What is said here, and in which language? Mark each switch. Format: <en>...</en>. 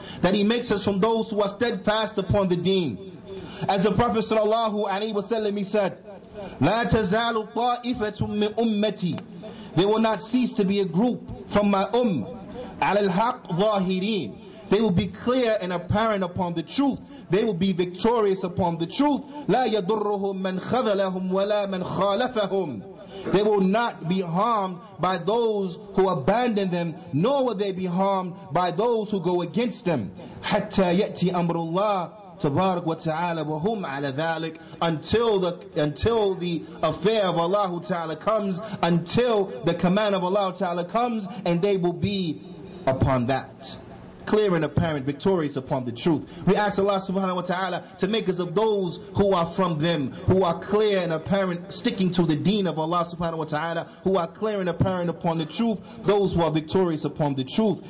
<en>That He makes us from those who are steadfast upon the deen. As the Prophet sallallahu alayhi wa sallam, he said,</en> <ar>لا تزال طائفة من أمتي.</ar> <en>They will not cease to be a group from my</en> <ar>على الحق ظاهرين.</ar> <en>They will be clear and apparent upon the truth. They will be victorious upon the truth.</en> <ar>لا يضرهم من خذلهم ولا من خالفهم.</ar> <en>They will not be harmed by those who abandon them, nor will they be harmed by those who go against them.</en> <ar>حتى يأتي أمر الله تبارك وتعالى وهم على ذلك.</ar> <en>Until the affair of Allah Ta'ala comes, until the command of Allah Ta'ala comes, and they will be upon that. Clear and apparent, victorious upon the truth. We ask Allah subhanahu wa ta'ala to make us of those who are from them, who are clear and apparent, sticking to the deen of Allah subhanahu wa ta'ala, who are clear and apparent upon the truth, those who are victorious upon the truth.</en>